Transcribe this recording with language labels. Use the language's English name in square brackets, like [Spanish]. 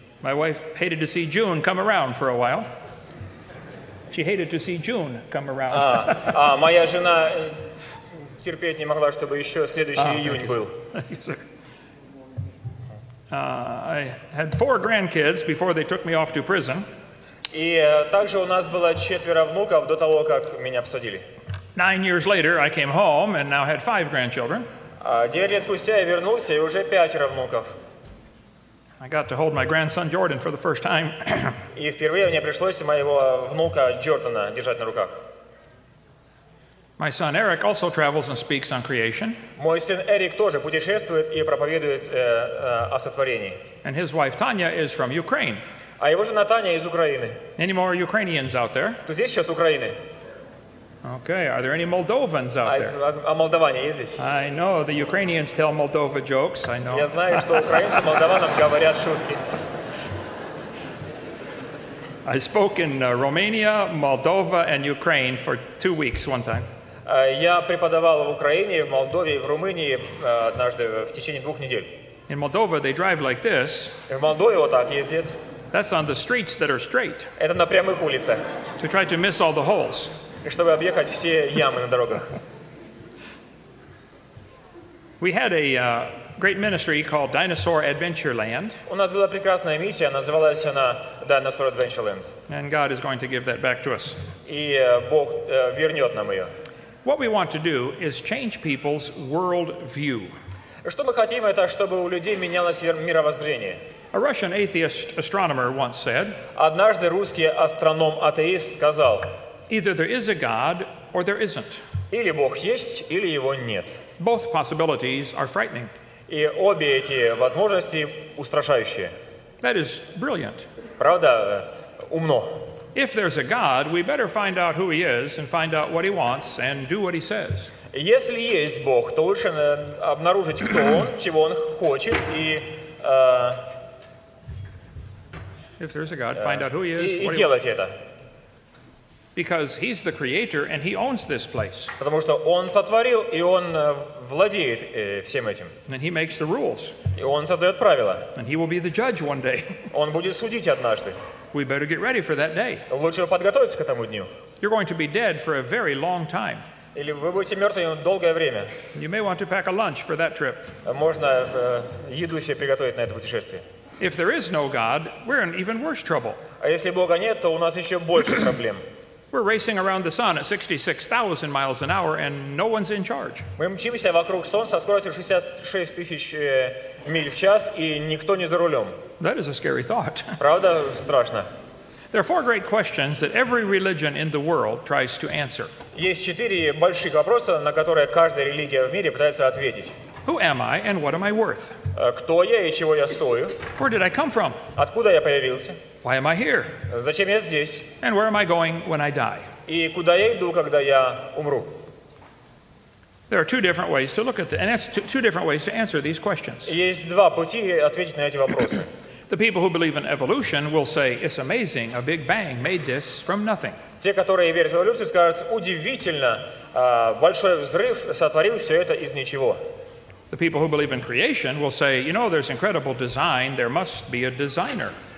[English] My wife hated to see June come around for a while. She hated to see June come around. [Russian] Моя жена терпеть не могла, чтобы еще следующий июнь был. [English] I had four grandkids before they took me off to prison. [Russian] И также у нас было четверо внуков до того, как меня посадили. [English] 9 years later, I came home and now had 5 grandchildren. [Russian] 9 лет спустя я вернулся и уже 5 внуков. [English] I got to hold my grandson Jordan for the first time. [Russian] И впервые мне пришлось моего внука Джордана держать на руках. [English] My son Eric also travels and speaks on creation. [Russian] Мой сын Эрик тоже путешествует и проповедует о сотворении. [English] And his wife Tanya is from Ukraine. [Russian] А его жена Таня из Украины. [English] Any more Ukrainians out there? [Russian] Тут есть сейчас Украины? [English] Okay, are there any Moldovans out there? [Russian] А молдаване есть здесь? [English] I know, the Ukrainians tell Moldova jokes, I know. [Russian] Я знаю, что украинцы молдаванам говорят шутки. [English] I spoke in Romania, Moldova, and Ukraine for 2 weeks one time. [Russian] Я преподавал в Украине, в Молдове, в Румынии однажды в течение двух недель. [English] In Moldova, they drive like this. [Russian] В Молдове вот так ездят. [English] That's on the streets that are straight. [Russian] Это на прямых улицах. [English] To try to miss all the holes. [Russian] И чтобы объехать все ямы на дорогах. [English] We had a great ministry called Dinosaur Adventure Land. [Russian] У нас была прекрасная миссия, называлась она Dinosaur Adventure Land. [English] And God is going to give that back to us. [Russian] И Бог вернет нам ее. [English] What we want to do is change people's world view. [Russian] Что мы хотим, это чтобы у людей менялось мировоззрение. [English] A Russian atheist astronomer once said, [Russian] однажды русский астроном-атеист сказал, [English] either there is a God or there isn't. [Russian] Или Бог есть, или его нет. [English] Both possibilities are frightening. [Russian] И обе эти возможности устрашающие. [English] That is brilliant. [Russian] Правда, умно. [English] If there's a God, we better find out who he is and find out what he wants and do what he says. [Russian] Если есть Бог, то лучше обнаружить, кто он, чего он хочет, и [English] if there's a God, find out who he is, [Russian] и делать это. [English] Because he's the creator and he owns this place. [Russian] Потому что он сотворил и он владеет всем этим. [English] And he makes the rules. [Russian] И он создает правила. [English] And he will be the judge one day. [Russian] Он будет судить однажды. [English] We better get ready for that day. [Russian] Лучше подготовиться к этому дню. [English] You're going to be dead for a very long time. [Russian] Или вы будете мертвыми долгое время. [English] You may want to pack a lunch for that trip. [Russian] Можно еду себе приготовить на это путешествие. [English] If there is no God, we're in even worse trouble. [Russian] А если Бога нет, то у нас еще больше проблем. [English] We're racing around the sun at 66,000 miles an hour, and no one's in charge. [Russian] Мы мчимся вокруг солнца со скоростью 66 тысяч миль в час, и никто не за рулем. [English] That is a scary thought. [Russian] Правда, страшно. [English] There are four great questions that every religion in the world tries to answer. [Russian] Есть четыре больших вопроса, на которые каждая религия в мире пытается ответить. [English] Who am I and what am I worth? [Russian] Кто я и чего я стою? [English] Where did I come from? [Russian] Откуда я появился? [English] Why am I here? [Russian] Зачем я здесь? [English] And where am I going when I die? [Russian] И куда я иду, когда я умру? [English] There are two different ways to look at it, and that's two different ways to answer these questions. [Russian] Есть два пути ответить на эти вопросы. [English] The people who believe in evolution will say it's amazing, a big bang made this from nothing. [Russian] Те, которые верят в эволюцию, скажут: удивительно, большой взрыв сотворил все это из ничего. [English] The people who believe in creation will say, you know, there's incredible design, there must be a designer.